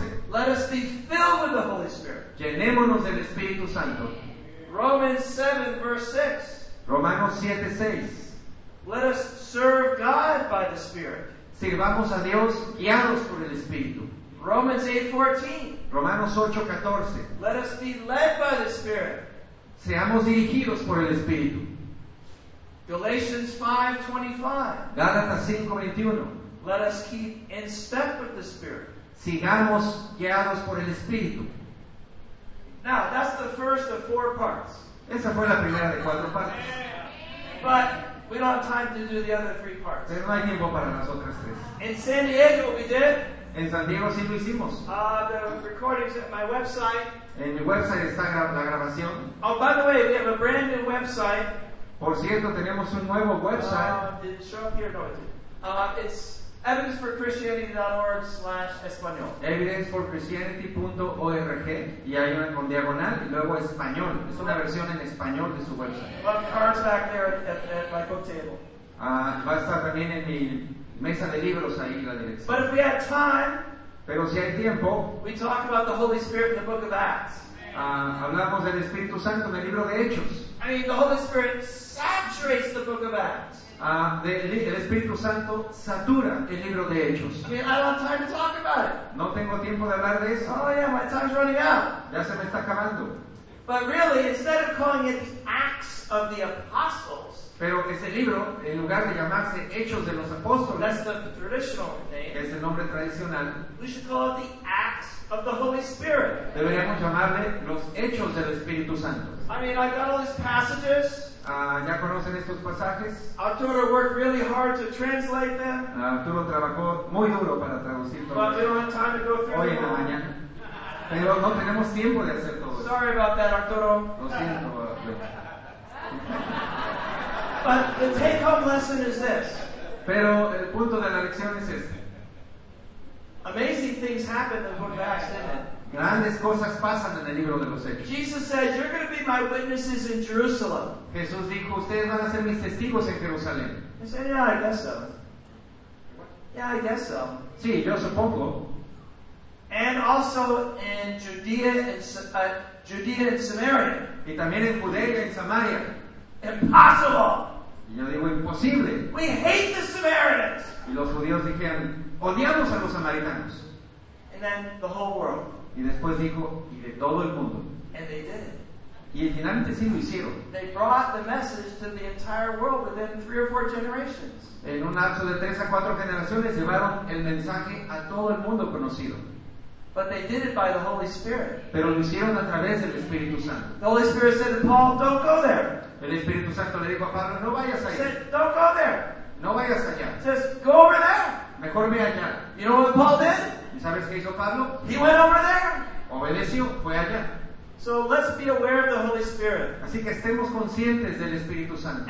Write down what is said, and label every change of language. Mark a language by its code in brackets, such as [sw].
[en] Let us be filled with the Holy Spirit. [es] Llenémonos del Espíritu Santo. [en] Romans 7, verse 6. [es] Romanos 7, 6. [en] Let us serve God by the Spirit. [es] Sirvamos a Dios guiados por el Espíritu. [en] Romans 8:14. [es] Romanos 8:14. [en] Let us be led by the Spirit. [es] Seamos dirigidos por el Espíritu. [en] Galatians 5:25. [es] Gálatas 5:21. [en] Let us keep in step with the Spirit. [es] Sigamos guiados por el Espíritu. [en] Now, that's the first of four parts. [es] Esa fue la primera de cuatro partes. [en] But we don't have time to do the other three parts. [es] Pero no hay tiempo para las otras tres. [en] In San Diego, we did. [es] En San Diego sí lo hicimos. [en] The recording's at my website. [es] En mi website está la grabación. [en] Oh, by the way, we have a brand new website. [es] Por cierto, tenemos un nuevo website. [en] Did it show up here? No, it didn't. It's evidenceforchristianity.org/español. [es] evidenceforchristianity.org y hay una con diagonal y luego español. Es una versión en español de su website. [en] We'll have cards back there at my book table. [es] Va a estar también en mi mesa de libros ahí la dirección. [en] But if we have time, [es] pero si hay tiempo, [en] we talk about the Holy Spirit in the book of Acts. [es] Hablamos del Espíritu Santo en el libro de Hechos. [en] I mean, the Holy Spirit saturates the book of Acts. [es] El Espíritu Santo satura el libro de Hechos. [en] I mean, I don't have time to talk about it. [es] No tengo tiempo de hablar de eso. [en] Oh yeah, my time's running out. [es] Ya se me está acabando. [en] But really, instead of calling it the Acts of the Apostles, [es] pero ese libro, en lugar de llamarse Hechos de los Apóstoles, [en] that's the traditional name, [es] es el nombre tradicional, [en] we should call it the Acts of the Holy Spirit. [es] Deberíamos llamarle los Hechos del Espíritu Santo. [en] I mean, I got all these passages. [es] ¿Ya conocen estos pasajes? [en] Arturo worked really hard to translate them. [es] Arturo trabajó muy duro para traducir todo. [en] But we don't have time to go through [es] hoy en la mañana. Pero no tenemos tiempo de hacer todo. [en] Sorry about that, Arturo. [es] Lo siento, Arturo. [en] But the take-home lesson is this. [es] Pero el punto de la lección es este. [en] Amazing things happen in the book of Acts, didn't it? [es] Grandes cosas pasan en el libro de los Hechos. [en] Jesus said, "You're going to be my witnesses in Jerusalem." [es] Jesús dijo, ustedes van a ser mis testigos en Jerusalén. [en] I said, "Yeah, I guess so." Yeah, I guess so. [es] Sí, yo supongo. [en] And also in Judea and Samaria. [es] Y también en Judea y en Samaria. [en] Impossible. [es] Y yo digo, imposible. [en] We hate the Samaritans. [es] Y los judíos dijeron, odiamos a los samaritanos. [en] And then the whole world. [es] Y después dijo, y de todo el mundo. [en] And they did it. [es] Y finalmente sí lo hicieron. [en] They brought the message to the entire world within 3 or 4 generations. [es] En un lapso de 3 a 4 generaciones llevaron el mensaje a todo el mundo conocido. [en] But they did it by the Holy Spirit. [es] Pero lo hicieron a través del Espíritu Santo. [en] The Holy Spirit said to Paul, "Don't go there." [es] El Espíritu Santo le dijo a Pablo, "No vayas allá." [en] He said, "Don't go there." [es] No vayas allá. [en] Says, "Go over there." [es] Mejor ve allá. [en] You know what Paul did? [es] ¿Y sabes qué hizo Pablo? [en] He went over there. [es] Obedeció, fue allá. [en] So let's be aware of the Holy Spirit. [es] Así que estemos conscientes del Espíritu Santo.